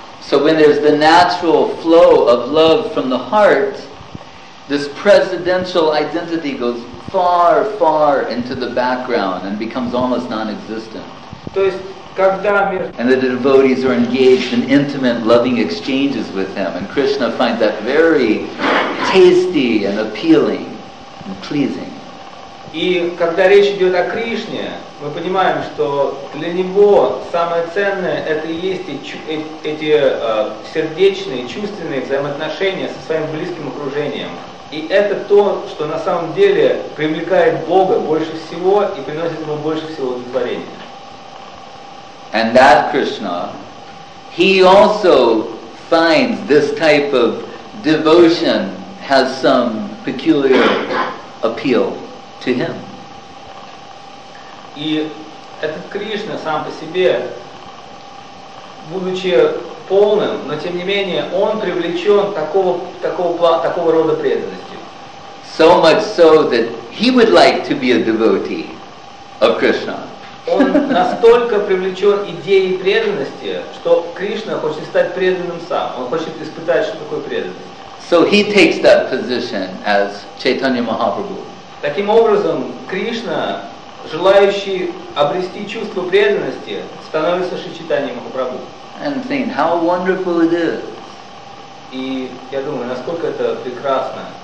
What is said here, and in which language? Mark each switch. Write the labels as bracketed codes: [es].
[en] So when there's the natural flow of love from the heart, this presidential identity goes far, far into the background and becomes almost non-existent. [ru] То есть, когда мир... [en] And the devotees are engaged in intimate loving exchanges with him, and Krishna finds that very tasty and appealing and pleasing. [ru] И когда речь идет о Кришне, мы понимаем, что для него самое ценное это и есть эти сердечные, чувственные взаимоотношения со своим близким окружением. И это то, что на самом деле привлекает Бога больше всего и приносит ему больше всего удовлетворения. [en] And that Krishna, he also finds this type of devotion has some peculiar appeal to him. [ru] И этот Кришна сам по себе, будучи полным, но тем не менее, он привлечен такого рода преданностью. [en] So much so that he would like to be a devotee of Krishna. [ru] Он настолько привлечен идеей преданности, что Кришна хочет стать преданным сам. Он хочет испытать, что такое преданность. [en] So he takes that position as Chaitanya Mahaprabhu. [ru] Таким образом, Кришна, желающий обрести чувство преданности, становится Шри Чайтанья Махапрабху. [en] And think how wonderful it is. [ru] И я думаю, насколько это прекрасно.